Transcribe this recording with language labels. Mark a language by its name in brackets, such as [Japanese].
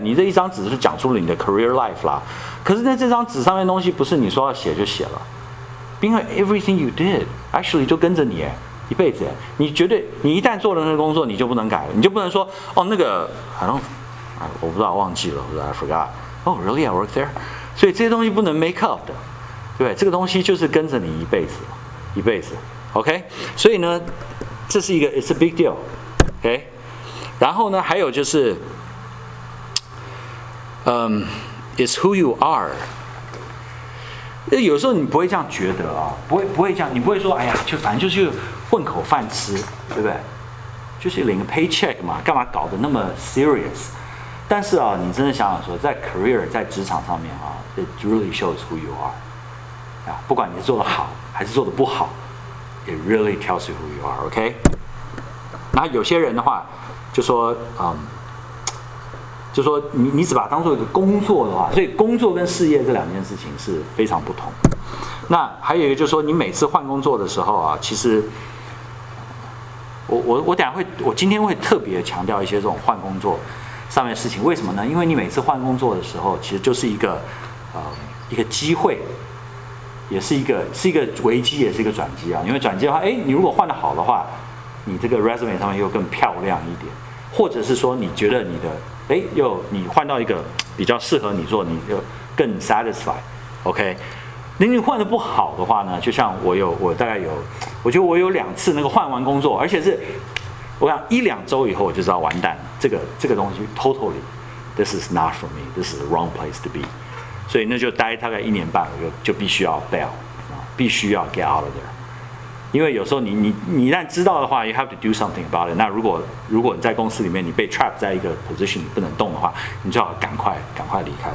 [Chinese] 你这一张纸是讲出了你的 career life 啦。可是那这张纸上面的东西不是你说要写就写了，因为 [English] everything you did actually [Chinese] 就跟着你耶一辈子耶。你绝对，你一旦做了那个工作，你就不能改了，你就不能说哦那个 我不知道忘记了，我说 [English] I forgot。 Oh really? I worked there。 [Chinese] 所以这些东西不能 make up 的。对，这个东西就是跟着你一辈子 ，OK。所以呢，这是一个 [English] it's a big deal， [Chinese] OK、okay?。然后呢，还有就是， [English] it's who you are。 [Chinese] 有时候你不会这样觉得啊、哦，不会这样，你不会说，哎呀，就反正就是混口饭吃，对不对？就是领个 paycheck 嘛，干嘛搞得那么 serious？ 但是啊、哦，你真的想想说，在 career 在职场上面啊、哦、， [English] it really shows who you are。 [Chinese] 不管你做得好还是做得不好 ， [English] it really tells you who you are. [Chinese] OK， 那有些人的话就说，就说你只把它当做一个工作的话，所以工作跟事业这两件事情是非常不同。那还有一个就是说，你每次换工作的时候啊，其实我等一下会，我今天会特别强调一些这种换工作上面的事情。为什么呢？因为你每次换工作的时候，其实就是一个机会。也是一个危机，也是一个转机啊！因为转机的话，哎，你如果换得好的话，你这个 resume 上面又更漂亮一点，或者是说你觉得你的哎，又你换到一个比较适合你做，你就更 satisfied，OK、okay?。那你换得不好的话呢？就像我大概有，我觉得我有两次那个换完工作，而且是我想一两周以后我就知道完蛋了，这个东西 [English] totally this is not for me， this is the wrong place to be。 [Chinese] 所以那就待大概一年半，就必须要 bail， 必须要 [English] get out of there。 [Chinese] 因为有时候你一旦知道的话 ， [English] you have to do something about it。 [Chinese] 那如果你在公司里面你被 trap 在一个 position 你不能动的话，你就要赶快离开。